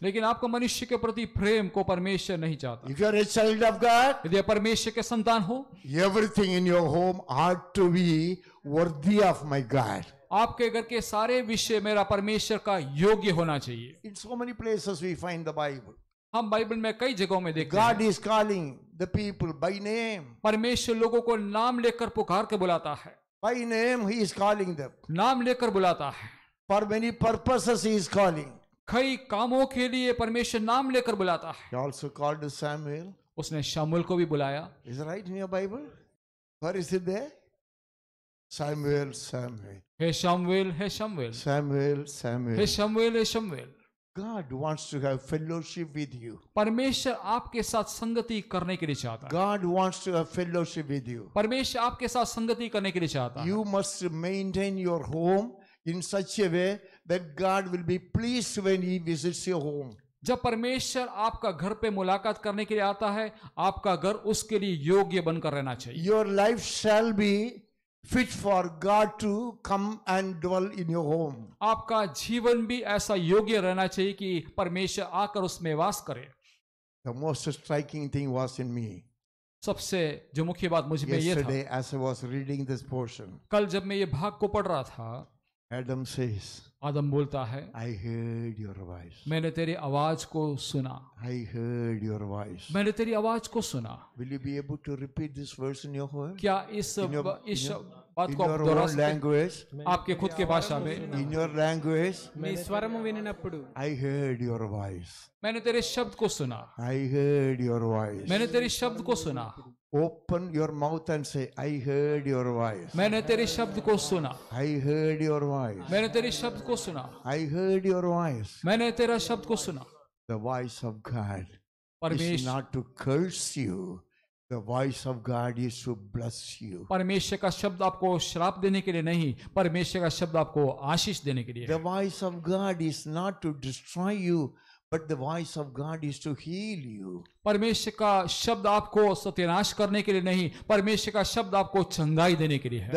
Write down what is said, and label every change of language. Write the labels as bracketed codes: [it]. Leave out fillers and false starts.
[hi] लेकिन आपको मनुष्य के प्रति प्रेम को परमेश्वर नहीं चाहता. [en] If you are a child of God, [hi] यदि आप परमेश्वर के संतान हो, [en] everything in your home ought to be worthy of my God. [hi] आपके घर के सारे विषय मेरा परमेश्वर का योग्य होना चाहिए. [en] In so many places we find the Bible. [hi] हम बाइबल में कई जगहों में देखते हैं। [en] God is calling the people by name. [hi] परमेश्वर लोगों को नाम लेकर पुकार के बुलाता है। [en] By name he is calling them. [hi] नाम लेकर बुलाता है। [en] For many purposes he is calling. [hi] कई कामों के लिए परमेश्वर नाम लेकर बुलाता है। [en] He also called Samuel. [hi] उसने शमूएल को भी बुलाया। [en] Is it right in your Bible? Where is it there? Samuel, Samuel. [hi] हे शमूएल, हे शमूएल। [en] Samuel, Samuel. [hi] हे शमूएल, हे शमूएल। [en] God wants to have fellowship with you. [hi] परमेश्वर आपके साथ संगति करने के लिए चाहता है. [en] God wants to have fellowship with you. [hi] परमेश्वर आपके साथ संगति करने के लिए चाहता है. [en] You must maintain your home in such a way that God will be pleased when he visits your home. [hi] जब परमेश्वर आपका घर पे मुलाकात करने के लिए आता है आपका घर उसके लिए योग्य बनकर रहना चाहिए. [en] Your life shall be fit for God to come and dwell in your home. [hi] आपका जीवन भी ऐसा योग्य रहना चाहिए कि परमेश्वर आकर उसमें वास करे. [en] The most striking thing was in me. [hi] सबसे जो मुख्य बात मुझ में ये था. [en] Yesterday, as I was reading this portion. [hi] कल जब मैं ये भाग को पढ़ रहा था. [en] Adam says. [hi] आदम बोलता है. [en] I heard your voice. [hi] मैंने तेरी आवाज को सुना. [en] I heard your voice. [hi] मैंने तेरी आवाज को सुना. [en] Will you be able to repeat this verse in your home? [hi] क्या इस बात को [en] in your own language? [hi] आपके खुद के भाषा में. [en] In your language? मैं स्वरम विनिनप्पुडु. I heard your voice. [hi] मैंने तेरे शब्द को सुना. [en] I heard your voice. [hi] मैंने तेरे शब्द को सुना. [en] Open your mouth and say, I heard your voice. [hi] मैंने तेरे शब्द को सुना. [en] I heard your voice. [hi] मैंने तेरे शब्द को सुना. [en] I heard your voice. [hi] मैंने तेरा शब्द को सुना. [en] The voice of God is not to curse you. The voice of God is to bless you. [hi] परमेश्वर का शब्द आपको श्राप देने के लिए नहीं, परमेश्वर का शब्द आपको आशीष देने के लिए. [en] The voice of God is not to destroy you, but the voice of God is to heal you. [hi] परमेश्वर का शब्द आपको सत्यानाश करने के लिए नहीं, परमेश्वर का शब्द आपको चंगाई देने के लिए है.